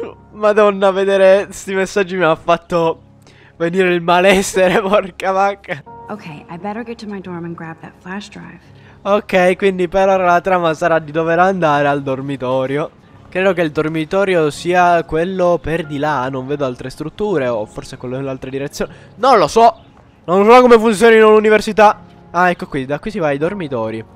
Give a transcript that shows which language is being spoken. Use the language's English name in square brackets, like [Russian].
[Italian] Madonna, vedere questi messaggi mi ha fatto venire il malessere, porca vacca. [English] Ok, I better get to my dorm and grab that flash drive. [Italian] Ok, quindi per ora la trama sarà di dover andare al dormitorio. Credo che il dormitorio sia quello per di là, non vedo altre strutture, o forse quello nell'altra direzione. Non lo so, non so come funzionino l'università. Ah, ecco qui, da qui si va ai dormitori.